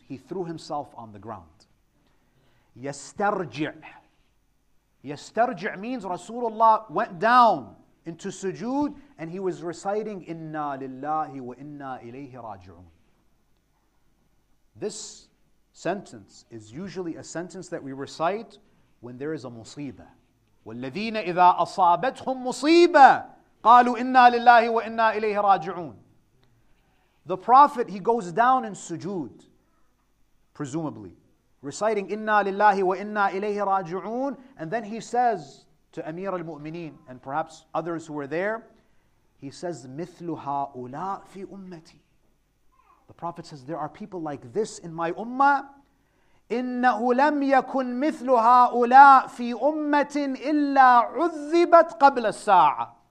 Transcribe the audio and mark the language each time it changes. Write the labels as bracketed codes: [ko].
[en] He threw himself on the ground. يَسْتَرْجِعْ Yastarji' means Rasulullah went down into sujood and he was reciting Inna lillahi wa inna ilayhi raji'un. This sentence is usually a sentence that we recite when there is a musibah. [ar] وَالَّذِينَ إِذَا أَصَابَتْهُمْ مُصِيبَةٌ قَالُوا إِنَّا لِلَّهِ وَإِنَّا إِلَيْهِ رَاجِعُونَ [en] The Prophet, he goes down in sujood, presumably, reciting Inna Lillahi wa Inna Ilayhi Raji'un, and then he says to Amir al-Mu'mineen and perhaps others who were there, he says, [ar] مِثْلُ هَاُولَىٰ فِي أُمَّتِي. [en] The Prophet says, there are people like this in my ummah. [ar] إِنَّهُ لَمْ يَكُنْ مِثْلُ هَاُولَىٰ فِي أُمَّةٍ إِلَّا عُذِّبَتْ قَبْلَ السَّاعَةِ.